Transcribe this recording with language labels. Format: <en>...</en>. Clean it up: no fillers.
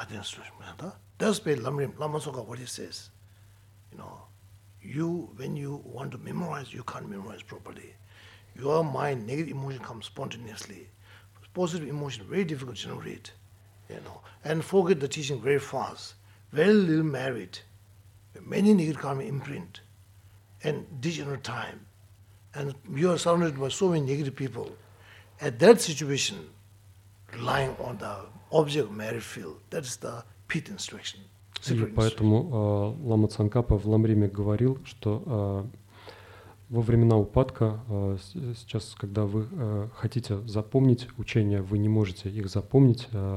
<ru>Отдельный случай, да?</ru> <en>That's why Lama Soka, what he says, you know, you, when you want to memorize, you can't memorize properly. Your mind, negative emotion comes spontaneously. Positive emotion, very difficult to generate, you know, and forget the teaching very fast. Very little merit, many negative karma imprint, and degenerate time, and you are surrounded by so many negative people. At that situation, relying on the object merit field, that is the pit instruction.</en> <ru>И поэтому Лама Цанкапа в Ламриме говорил, что во времена упадка, сейчас, когда вы хотите запомнить учения, вы не можете их запомнить.</ru>